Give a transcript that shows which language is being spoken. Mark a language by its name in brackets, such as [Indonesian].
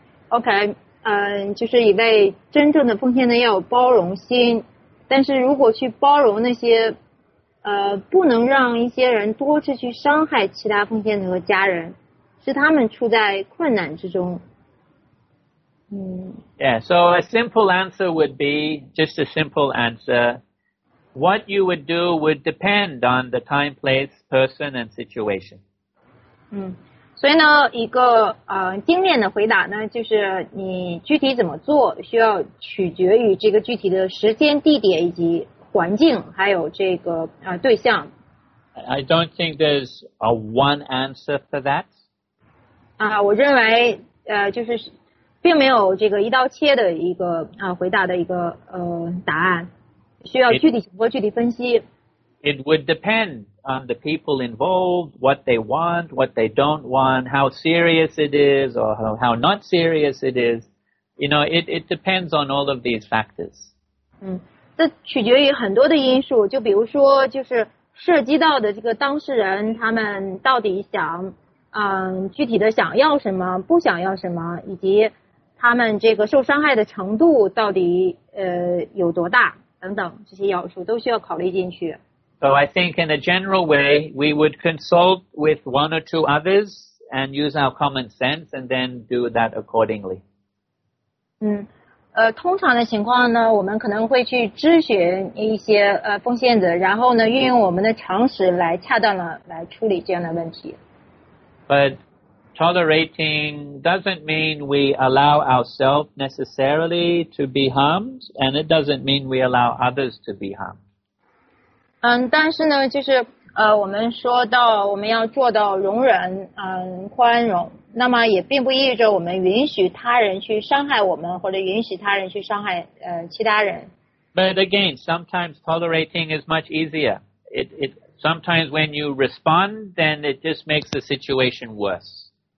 [Chinese] Okay, 就是一位真正的奉献者要有包容心，但是如果去包容那些不能让一些人多次去伤害其他奉献者和家人，使他们处在困难之中。 [English] Yeah, so a simple answer would be, just a simple answer, what you would do would depend on the time, place, person, and situation. [Chinese] 所以呢，一个精炼的回答呢，就是你具体怎么做，需要取决于这个具体的时间、地点以及环境还有这个对象。 [English] I don't think there's a one answer for that. [Chinese] 我认为就是并没有这个一刀切的一个回答的一个答案，需要具体情况具体分析。 [English] It would depend on the people involved, what they want, what they don't want, how serious it is or how not serious it is. You know, it depends on all of these factors. [Chinese] 这取决于很多的因素，就比如说就是涉及到的这个当事人他们到底想具体的想要什么不想要什么，以及他们这个受伤害的程度到底有多大等等，这些要素都需要考虑进去。 [English] So I think in a general way we would consult with one or two others and use our common sense and then do that accordingly. [Chinese] 通常的情况呢，我们可能会去咨询一些奉献者，然后呢运用我们的常识来恰当的来处理这样的问题。 [English] But tolerating doesn't mean we allow ourselves necessarily to be harmed, and it doesn't mean we allow others to be harmed. [Chinese] 但是呢就是我们说到我们要做到容忍宽容，那么也并不意味着我们允许他人去伤害我们，或者允许他人去伤害其他人。 [English] But again, sometimes tolerating is much easier. It sometimes when you respond, then it just makes the situation worse.